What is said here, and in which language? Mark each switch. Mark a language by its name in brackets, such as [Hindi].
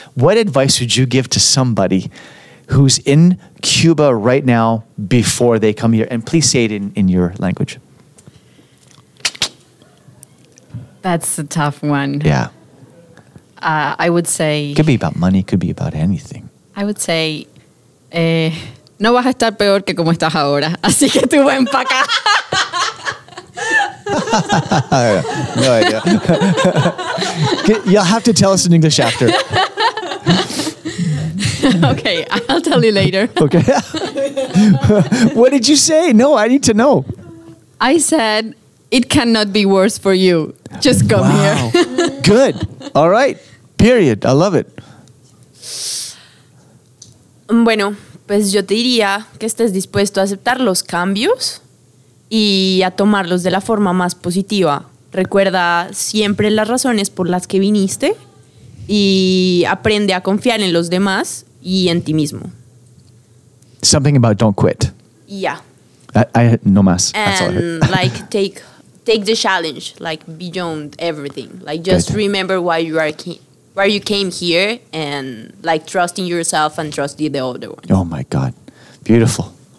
[English] What advice would you give to somebody who's in Cuba right now before they come here? And please say it in your language. That's a tough one. Yeah. I would say... Could be about money, could be about anything. I would say... [Spanish] no vas a estar peor que como estás ahora, así que tú ven pa' acá. [English] No idea. You'll have to tell us in English after. Okay, I'll tell you later. Okay. What did you say? No, I need to know. I said... It cannot be worse for you. Just come wow. here. Good. All right. Period. I love it. [Spanish] Bueno, pues yo te diría que estés dispuesto a aceptar los cambios y a tomarlos de la forma más positiva. Recuerda siempre las razones por las que viniste y aprende a confiar en los demás y en ti mismo. [English] Something about don't quit. Yeah. [Spanish] I no más. [English] And like take the challenge, like beyond everything. Like just good. Remember why you came here, and like trust in yourself and trust in the other one. Oh my God, beautiful.